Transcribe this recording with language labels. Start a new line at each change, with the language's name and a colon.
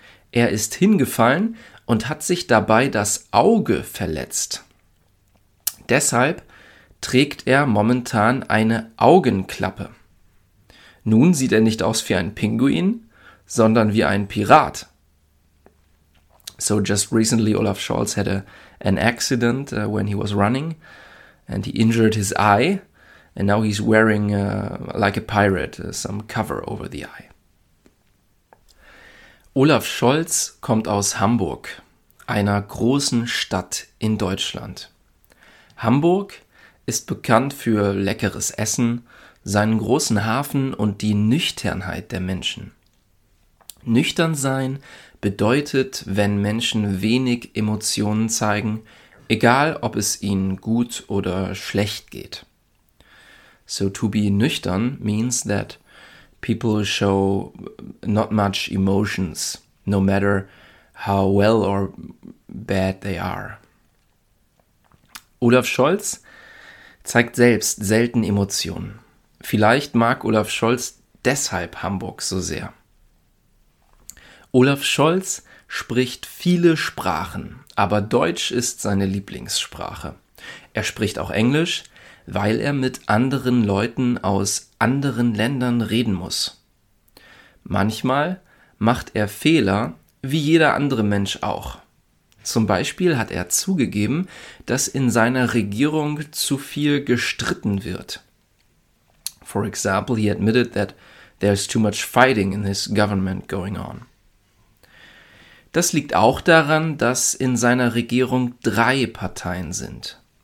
German: Er ist hingefallen und hat sich dabei das Auge verletzt. Deshalb trägt er momentan eine Augenklappe. Nun sieht er nicht aus wie ein Pinguin, sondern wie ein Pirat.
English: So just recently Olaf Scholz had an accident when he was running and he injured his eye and now he's wearing like a pirate some cover over the eye.
German: Olaf Scholz kommt aus Hamburg, einer großen Stadt in Deutschland. Hamburg ist bekannt für leckeres Essen, seinen großen Hafen und die Nüchternheit der Menschen. Nüchtern sein bedeutet, wenn Menschen wenig Emotionen zeigen, egal ob es ihnen gut oder schlecht geht.
English: So to be nüchtern means that people show not much emotions, no matter how well or bad they are.
German: Olaf Scholz zeigt selbst selten Emotionen. Vielleicht mag Olaf Scholz deshalb Hamburg so sehr. Olaf Scholz spricht viele Sprachen, aber Deutsch ist seine Lieblingssprache. Er spricht auch Englisch, weil er mit anderen Leuten aus anderen Ländern reden muss. Manchmal macht er Fehler, wie jeder andere Mensch auch. Zum Beispiel hat er zugegeben, dass in seiner Regierung zu viel gestritten wird.
English: For example, he admitted that there's too much fighting in his government going on.
German: Das liegt auch daran, dass in seiner Regierung drei Parteien sind.